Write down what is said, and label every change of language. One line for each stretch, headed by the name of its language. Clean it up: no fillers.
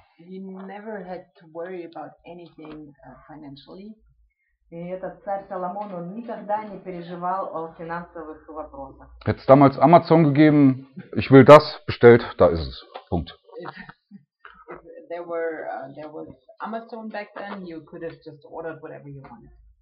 English: He never had to worry about anything financially.
Russian: И этот царь Соломон, он никогда не переживал о финансовых вопросах.
German: Hätte es damals Amazon gegeben, ich will das, bestellt, da ist es. Punkt.
English: There was Amazon back then, you could have just ordered whatever you wanted.